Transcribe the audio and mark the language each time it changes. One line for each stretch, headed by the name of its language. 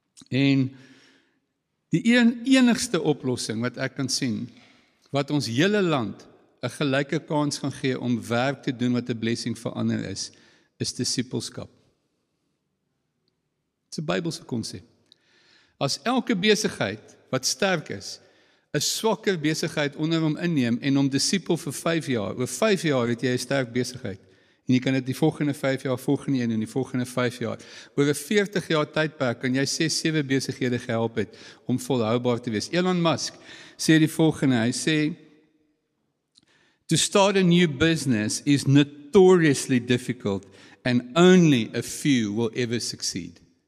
Afrikaans: En die enigste oplossing wat ek kan sien, wat ons hele land 'n gelyke kans gaan gee om werk te doen wat 'n blessing vir ander is, is discipleskap. Dit is 'n Bybelse konsep. As elke besigheid wat sterk is, 'n swakker besigheid onder hom inneem en hom disipel vir 5 jaar, oor 5 jaar het jy 'n sterk besigheid. En jy kan dit die volgende 5 jaar, volgende een en die volgende 5 jaar. Oor 'n 40 jaar tydperk kan jy 6-7 besighede gehelp het om volhoubaar te wees. Elon Musk sê die volgende, hy sê,
English: to start a new business is notoriously difficult and only a few will ever succeed.